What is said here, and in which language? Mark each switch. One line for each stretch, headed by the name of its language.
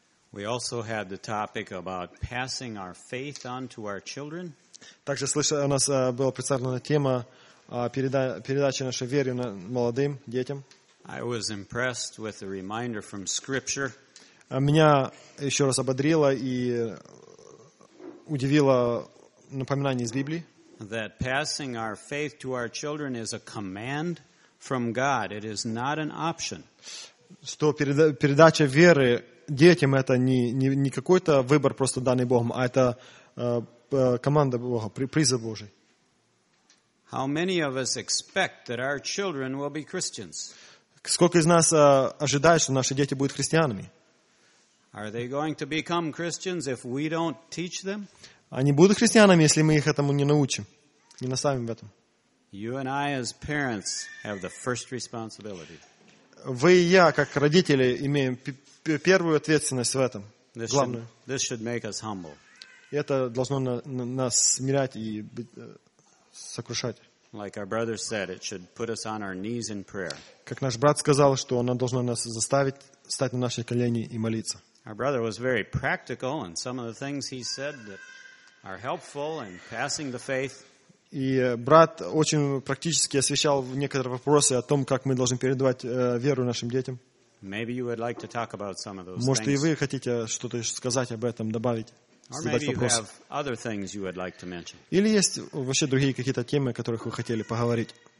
English: We also had the topic about passing our faith on to our children.
Russian: Также у нас была представлена тема передача нашей веры молодым детям.
English: I was impressed with the reminder from Scripture.
Russian: Меня еще раз ободрило и удивило напоминание из Библии.
English: That passing our faith to our children is a command from God. It is not an option.
Russian: Что передача веры детям это не какой-то выбор просто данный Богом, а это команда Бога, призыв Божий.
English: How many of us expect that our children will be Christians?
Russian: Сколько из нас ожидает, что наши дети будут христианами?
English: Are they going to become Christians if we don't teach them?
Russian: Они будут христианами, если мы их этому не научим, не наставим в этом.
English: You and I as parents have the first responsibility.
Russian: Вы и я, как родители, имеем первую ответственность в этом, главную.
English: This should make us humble.
Russian: Это должно нас смирять и сокрушать.
English: Like our brother said, it should put us on our knees in prayer.
Russian: Как наш брат сказал, что оно должно нас заставить встать на наши колени и молиться.
English: Our brother was very practical, and some of the things he said that are helpful in passing the faith.
Russian: И брат очень практически освещал некоторые вопросы о том, как мы должны передавать веру нашим детям.
English: Maybe you would like to talk about some of those.
Russian: Может,
English: things.
Russian: И вы хотите что-то сказать об этом, добавить?
English: Or maybe you have other things you would like to mention.
Russian: Или есть вообще другие какие-то темы, о которых вы хотели поговорить?